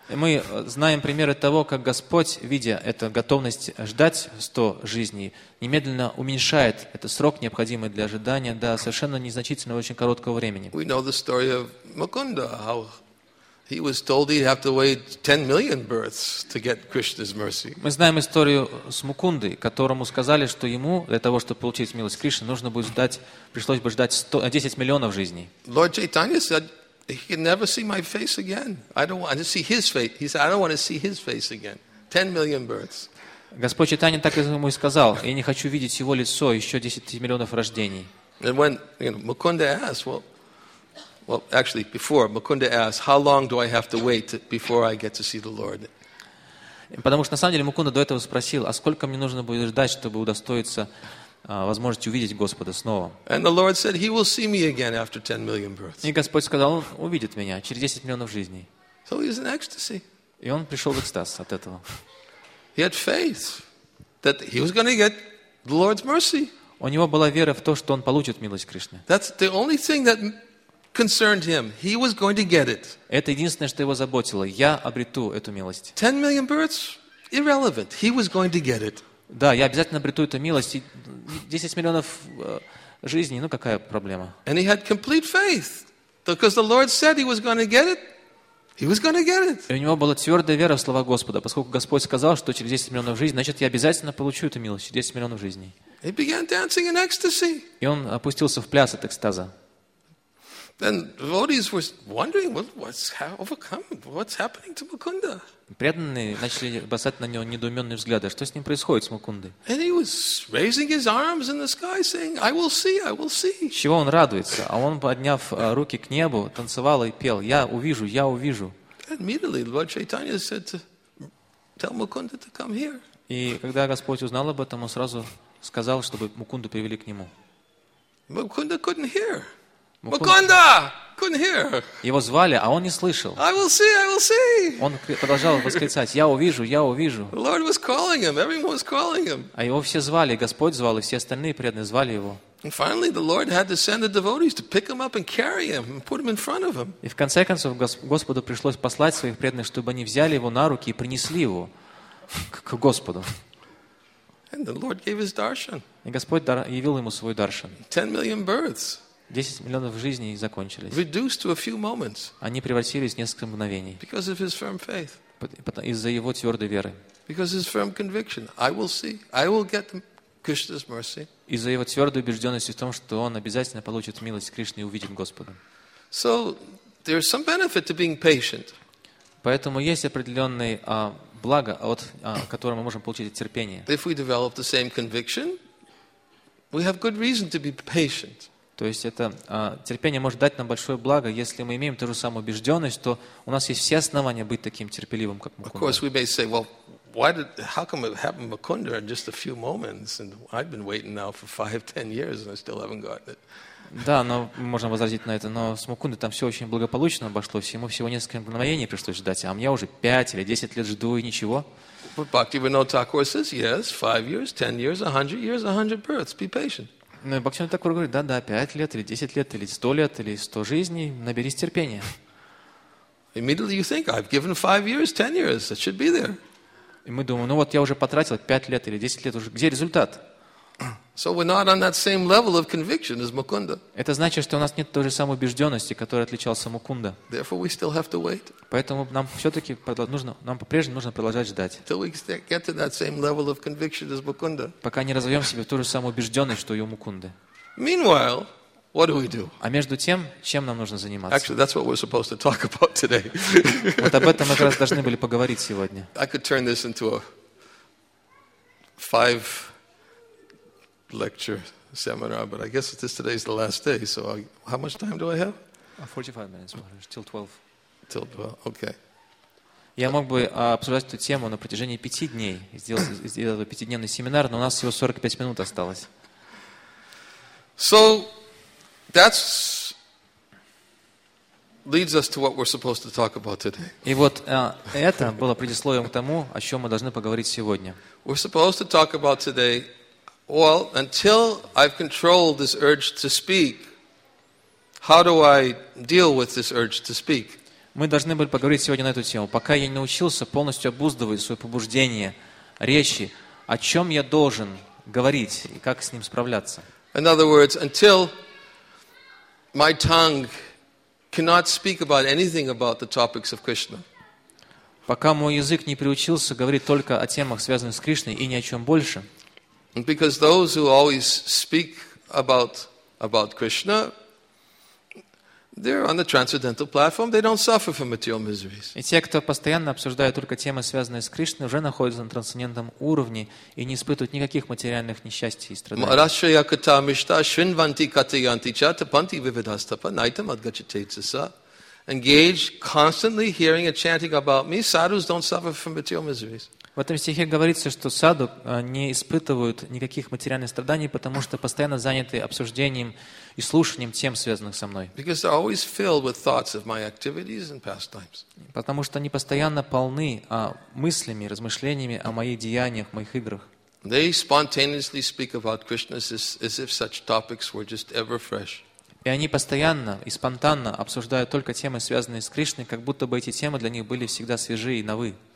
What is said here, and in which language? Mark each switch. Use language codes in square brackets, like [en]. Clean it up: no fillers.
[ru] Мы знаем примеры того, как Господь, видя эту готовность ждать 100 жизней, немедленно уменьшает этот срок, необходимый для ожидания, до совершенно незначительного, очень короткого времени. [en] We know the story of Mukunda, how he was told he'd have to wait 10 million births to get Krishna's mercy. [ru] Мы знаем историю с Мукундой, которому сказали, что ему для того, чтобы получить милость Кришны, нужно будет ждать, пришлось бы ждать 10 миллионов жизней. [en] Lord Chaitanya said, he can never see my face again. I don't want to see his face. He said, I don't want to see his face again. 10 million births. [ru] Господь Чайтанья так ему и сказал: я не хочу видеть его лицо еще 10 миллионов рождений. [en] And when Mukunda asked, well, actually, before Mukunda asked, how long do I have to wait before I get to see the Lord? [ru] Потому что на самом деле Мукунда до этого спросил, а сколько мне нужно будет ждать, чтобы удостоиться возможности увидеть Господа снова? [en] And the Lord said, he will see me again after 10 million births. [ru] И Господь сказал, он увидит меня через 10 миллионов жизней. [en] So he's in ecstasy. [ru] И он пришел в экстаз от этого. [en] He had faith that he was going to get the Lord's mercy. [ru] У него была вера в то, что он получит милость Кришны. [en] That's the only thing that concerned him. He was going to get it. [ru] Это единственное, что его заботило. Я обрету эту милость. [en] 10 million births? Irrelevant. He was going to get it. [ru] Да, я обязательно обрету эту милость. 10 миллионов жизней, ну какая проблема? [en] And he had complete faith. Because the Lord said he was going to get it, he was going to get it. [ru] И у него была твердая вера в слова Господа, поскольку Господь сказал, что через 10 миллионов жизней, значит, я обязательно получу эту милость, через 10 миллионов жизней. [en] He began dancing in ecstasy. [ru] И он опустился в пляс от экстаза. [en] Then devotees were wondering, what's overcome? What's happening to Mukunda? [ru] Преданные начали бросать на него недоуменные взгляды. Что с ним происходит, с Мукундой? [en] And he was raising his arms in the sky, saying, "I will see, I will see." [ru] Чего он радуется? А он, подняв руки к небу, танцевал и пел: "Я увижу, я увижу." [en] And immediately, Lord Chaitanya said, "Tell Mukunda to come here." [ru] И когда Господь узнал об этом, он сразу сказал, чтобы Мукунду привели к нему. [en] Mukunda couldn't hear. Mukunda, couldn't hear. [ru] Его звали, а он не слышал. [en] I will see, I will see. [ru] Он продолжал восклицать: «Я увижу, я увижу». [en] The Lord was calling him. Everyone was calling him. [ru] А его все звали, Господь звал, и все остальные преданные звали его. [en] And finally, the Lord had to send the devotees to pick him up and carry him and put him in front of him. [ru] И в конце концов Господу пришлось послать своих преданных, чтобы они взяли его на руки и принесли его к Господу. [en] And the Lord gave his darshan. [ru] И Господь явил ему свой даршан. [en] 10 million births. [ru] 10 миллионов жизней закончились. [en] Reduced to a few moments. [ru] Они превратились в несколько мгновений. [en] Because of his firm faith. [ru] Из-за его твердой веры. [en] Because of his firm conviction, I will see, I will get Krishna's mercy. [ru] Из-за его твердой убежденности в том, что он обязательно получит милость Кришны и увидит Господа. [en] So there's some benefit to being patient. [ru] Поэтому есть определенный благо, от которого мы можем получить терпение. [en] If we develop the same conviction, we have good reason to be patient. [ru] То есть это терпение может дать нам большое благо, если мы имеем ту же самую убежденность, то у нас есть все основания быть таким терпеливым, как Мукунда. [en] Of course, we may say, well, why did, how come it happened, Mukunda, in just a few moments, and I've been waiting now for 5-10 years, and I still haven't gotten it. [ru] Да, но можно возразить на это, но с Мукундой там все очень благополучно обошлось, ему всего несколько мгновений пришлось ждать, а мне уже 5 или 10 лет жду и ничего. [en] But Bhaktivinoda Thakur says, yes, 5 years, 10 years, 100 years, 100 births, be patient. [ru] Ну и Бхактивинода Тхакур говорит, да, 5 лет, или 10 лет, или 100 лет, или 100 жизней, наберись терпения. [en] Immediately you think, I've given 5 years, 10 years, it should be there. [ru] И мы думаем, ну вот я уже потратил 5 лет или 10 лет, уже где результат? [en] So we're not on that same level of conviction as Mukunda. [ru] Это значит, что у нас нет той же самой убежденности, которой отличался Мукунда. [en] Therefore, we still have to wait. [ru] Поэтому нам все-таки по-прежнему нужно продолжать ждать. [en] Till we get to that same level of conviction as Mukunda. [ru] Пока не разовьем себе ту же самую убежденность, что и у Мукунды. [en] Meanwhile, what do we do? [ru] А между тем, чем нам нужно заниматься? [en] Actually, that's what we're supposed to talk about today. [ru] Вот об этом мы как раз должны были поговорить сегодня. [en] I could turn this into a 5-lecture seminar, but I guess this today is the last day. So, how much time do I have? 45 minutes, till 12. Till 12. Okay. [ru] Я мог бы обсуждать эту тему на протяжении 5 дней, сделать 5-дневный семинар, но у нас всего 45 минут осталось. [en] So that's leads us to what we're supposed to talk about today. [ru] И вот это было предисловием к тому, о чем мы должны поговорить сегодня. [en] We're supposed to talk about today. Well, until I've controlled this urge to speak, how do I deal with this urge to speak? [ru] Мы должны были поговорить сегодня на эту тему. Пока я не научился полностью обуздывать свое побуждение речи, о чем я должен говорить и как с ним справляться? [en] In other words, until my tongue cannot speak about anything about the topics of Krishna. [ru] Пока мой язык не приучился говорить только о темах, связанных с Кришной, и ни о чем больше. [en] Because those who always speak about Krishna, they're on the transcendental platform. They don't suffer from material miseries. [ru] И те, кто постоянно обсуждают только темы, связанные с Кришной, уже находятся на трансцендентном уровне и не испытывают никаких материальных несчастий и страданий. [sa] Марашча якота мишта шинванти катаянти чата панти вивидастапа найтам адгачитейцеса. [en] Engage constantly hearing and chanting about me. Sadhus don't suffer from material miseries. [ru] В этом стихе говорится, что саду не испытывают никаких материальных страданий, потому что постоянно заняты обсуждением и слушанием тем, связанных со мной. [en] Because they're always filled with thoughts of my activities and pastimes. [ru] Потому что они постоянно полны мыслями, размышлениями о моих деяниях, моих играх. [en] They spontaneously speak about Krishna as if such topics were just ever fresh. [ru] И они постоянно и спонтанно обсуждают только темы, связанные с Кришной, как будто бы эти темы для них были всегда свежи и новы.